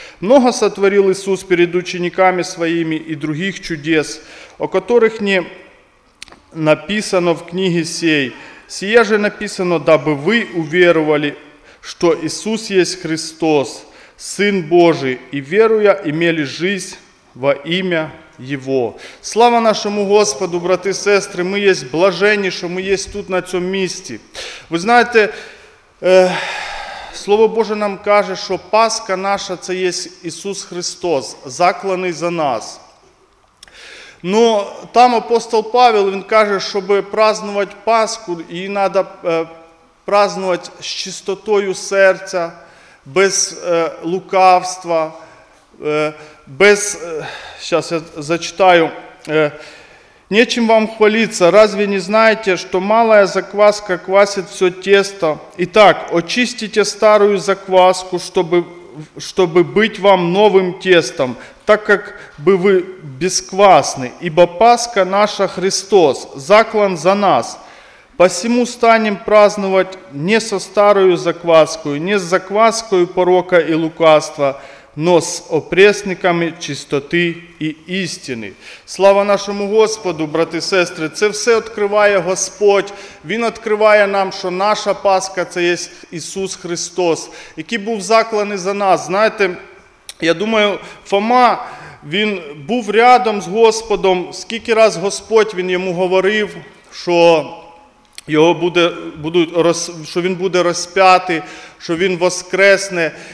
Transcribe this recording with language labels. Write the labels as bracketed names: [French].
[Russian] Много сотворил Иисус перед учениками своими и других чудес, о которых не написано в книге сей. Сие же написано, дабы вы уверовали, что Иисус есть Христос, Сын Божий, и веруя, имели жизнь во имя Его. [Ukrainian] Слава нашому Господу, брати і сестри, ми є блаженні, що ми є тут на цьому місці. Ви знаєте, Слово Боже нам каже, що Пасха наша – це є Ісус Христос, закланий за нас. [Russian] Но там апостол Павел, [Ukrainian] він каже, щоб празднувати Пасху, її треба празднувати з чистотою серця, без лукавства, без, [Russian] сейчас я зачитаю, «Нечем вам хвалиться, разве не знаете, что малая закваска квасит все тесто? Итак, очистите старую закваску, чтобы быть вам новым тестом, так как бы вы бесквасны, ибо Пасха наша Христос заклан за нас. Посему станем праздновать не со старою закваскою, не с закваскою порока и лукавства, но с опресниками чистоты и истины. [Ukrainian] Слава нашему Господу, брати і сестри, це все відкриває Господь. Він відкриває нам, що наша Пасха – це є Ісус Христос, який був закланий за нас. Знаєте, я думаю, Фома, він був рядом з Господом, скільки раз Господь він йому говорив, що його що він буде розп'ятий, що він воскресне.